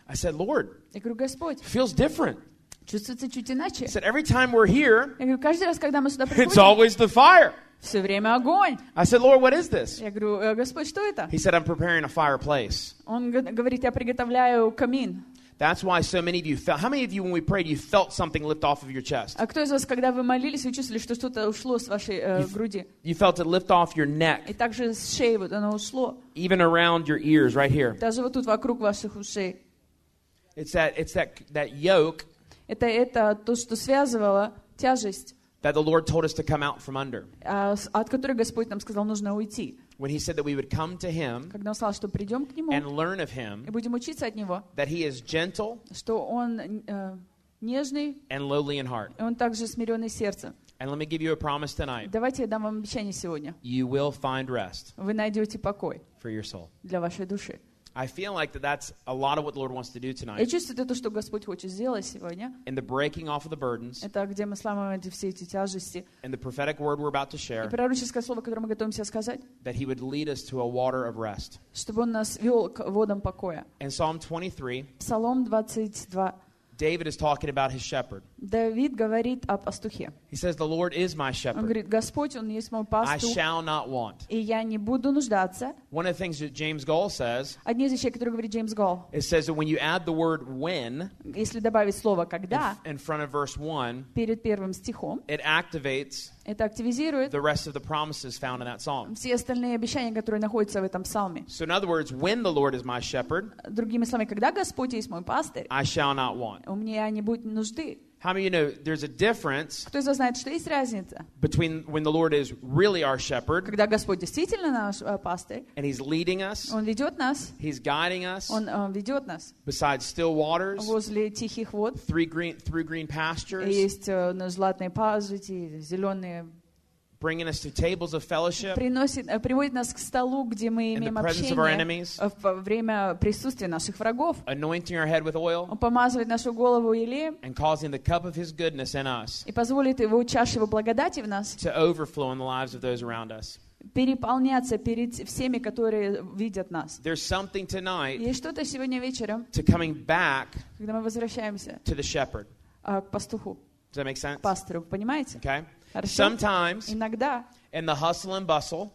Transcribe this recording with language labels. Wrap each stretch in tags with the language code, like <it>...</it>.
<en>I said, Lord,</en> <ru>я говорю, Господь,</ru> <en>feels different.</en> <ru>Чувствуется чуть иначе.</ru> <en>I said, every time we're here,</en> <ru>я говорю, каждый раз, когда мы сюда приходим,</ru> <en>it's always the fire.</en> <ru>Все время огонь.</ru> <en>I said, Lord, what is this?</en> <ru>Я говорю, Господь, что это?</ru> <en>He said, I'm preparing a fireplace.</en> <ru>Он говорит, я приготовляю камин.</ru> <en>That's why so many of you felt. How many of you, when we prayed, you felt something lift off of your chest?</en> <ru>А кто из вас, когда вы молились, вы чувствовали, что что-то ушло с вашей груди?</ru> <en>You felt it lift off your neck.</en> <ru>И также с шеи вот оно ушло.</ru> <en>Even around your ears, right here.</en> <ru>Даже вот тут вокруг ваших ушей.</ru> <en>It's that yoke.</en> <ru>Это то, что связывало тяжесть.</ru> <en>That the Lord told us to come out from under.</en> <ru>От которой Господь нам сказал, нужно уйти.</ru> <en>When he said that we would come to him,</en> <ru>когда он сказал, что придем к нему,</ru> <en>and learn of him,</en> <ru>и будем учиться от него,</ru> <en>that he is gentle,</en> <ru>что он нежный,</ru> <en>and lowly in heart,</en> <ru>и он также смиренный сердцем.</ru> <en>And let me give you a promise tonight.</en> <ru>Давайте я дам вам обещание сегодня.</ru> <en>You will find rest.</en> <ru>Вы найдете покой</ru> <en>for your soul.</en> <ru>Для вашей души.</ru> <en>I feel like that's a lot of what the Lord wants to do tonight.</en> <ru>Я чувствую, это то, что Господь хочет сделать сегодня.</ru> <en>In the breaking off of the burdens.</en> <ru>Это где мы сломаем эти все эти тяжести.</ru> <en>In the prophetic word we're about to share.</en> <ru>И пророческое слово, которое мы готовимся сказать.</ru> <en>That He would lead us to a water of rest.</en> <ru>Чтобы Он нас вел к водам покоя.</ru> <en>In Psalm 23.</en> <ru>Псалом 22.</ru> <en>David is talking about his shepherd.</en> <ru>Давид говорит о пастухе.</ru> <en>He says, "The Lord is my shepherd."</en> <ru>Он говорит, Господь, он есть мой пастух.</ru> <en>I shall not want.</en> <ru>И я не буду нуждаться.</ru> <en>One of the things that James Gall says.</en> <ru>Одни из вещей, которые говорит Джеймс Голл.</ru> <en>It says that when you add the word "when,"</en> <ru>если добавить слово "когда,"</ru> <en>in front of verse 1,</en> <ru>перед первым стихом,</ru> <en>it activates.</en> <ru>Это активизирует.</ru> <en>The rest of the promises found in that psalm.</en> <ru>Все остальные обещания, которые находятся в этом псалме.</ru> <en>So in other words, when the Lord is my shepherd.</en> <ru>Другими словами, когда Господь есть мой пастырь.</ru> <en>I shall not want.</en> <ru>У меня не будет нужды.</ru> <en>How many of you know there's a difference?</en> <ru>Кто из вас знает, что есть разница?</ru> <en>Between when the Lord is really our shepherd.</en> <ru>Когда Господь действительно наш пастырь.</ru> <en>And He's leading us.</en> <ru>Он ведет нас.</ru> <en>He's guiding us.</en> <ru>Он ведет нас.</ru> <en>Beside still waters.</en> <ru>Возле тихих вод.</ru> <en>Through green pastures.</en> <ru>Есть на златные пазы, зеленые.</ru> <en>Bringing us to tables of fellowship.</en> <ru>Приводит нас к столу, где мы имеем общение. В время присутствия наших врагов.</ru> <en>Anointing our head with oil.</en> <ru>Он помазывает нашу голову елеем.</ru> <en>And causing the cup of His goodness in us.</en> <ru>И позволит его чашу его благодати в нас.</ru> <en>To overflow in the lives of those around us.</en> <ru>Переполняться перед всеми, которые видят нас.</ru> <en>There's something tonight.</en> <ru>Есть что-то сегодня вечером.</ru> <en>To coming back.</en> <ru>Когда мы возвращаемся.</ru> <en>To the shepherd.</en> <ru>К пастуху.</ru> <en>Does that make sense?</en> <ru>К пастору, понимаете?</ru> <en>Okay. Sometimes,</en> <ru>иногда,</ru> <en>in the hustle and bustle,</en>